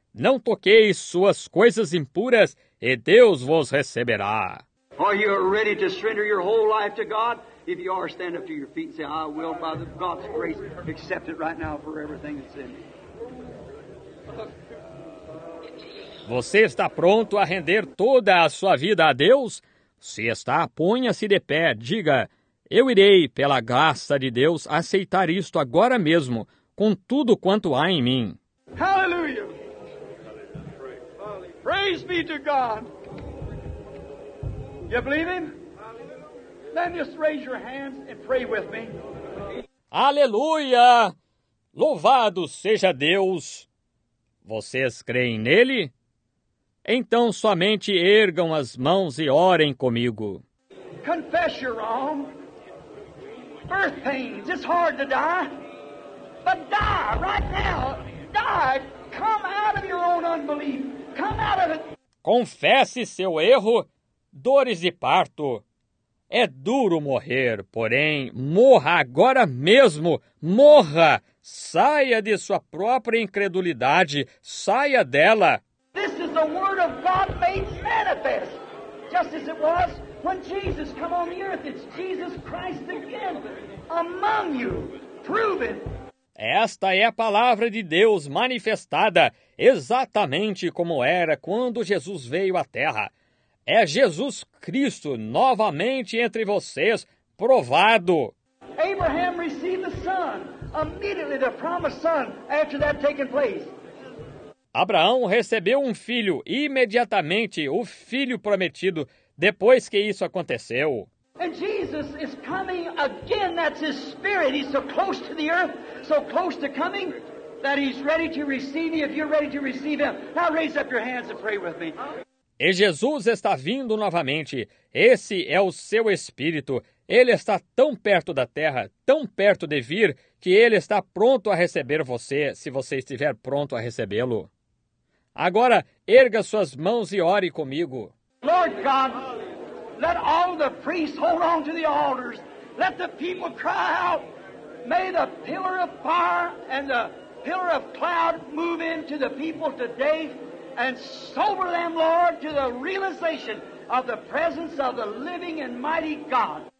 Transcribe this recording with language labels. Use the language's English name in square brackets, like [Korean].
[Portuguese] Não toqueis suas coisas impuras, e Deus vos receberá. [English] Are you ready to surrender your whole life to God? If you are, stand up to your feet and say, I will, by God's grace, accept it right now for everything that's in me. [Portuguese] Você está pronto a render toda a sua vida a Deus? Se está, ponha-se de pé, diga, eu irei, pela graça de Deus, aceitar isto agora mesmo, com tudo quanto há em mim. [English] Hallelujah! Praise be to God. You believe him? Then just raise your hands and pray with me. [Portuguese] Aleluia! Louvado seja Deus! Vocês creem nele? Então somente ergam as mãos e orem comigo. [English] Confess your wrong. Birth pains. It's hard to die. But die right now. Die. Come out of your own unbelief. [Portuguese] Confesse seu erro, dores de parto. É duro morrer, porém, morra agora mesmo, morra! Saia de sua própria incredulidade, saia dela! [English] This is the word of God made manifest, just as it was when Jesus came on the earth. It's Jesus Christ again, among you, proven. [Portuguese] Esta é a palavra de Deus manifestada exatamente como era quando Jesus veio à terra. É Jesus Cristo novamente entre vocês, provado. [English] Abraham received the son, immediately the promised son, after that taken place. [Portuguese] Abraão recebeu um filho, imediatamente o filho prometido, depois que isso aconteceu. [English] And Jesus is coming again. That's his spirit. He's so close to the earth, so close to coming, that he's ready to receive you if you're ready to receive him. Now raise up your hands and pray with me. [Portuguese] E Jesus está vindo novamente. Esse é o seu espírito. Ele está tão perto da terra, tão perto de vir, que ele está pronto a receber você, se você estiver pronto a recebê-lo. Agora, erga suas mãos e ore comigo. [English] Lord God, let all the priests hold on to the altars. Let the people cry out. May the pillar of fire and the pillar of cloud move into the people today and sober them, Lord, to the realization of the presence of the living and mighty God.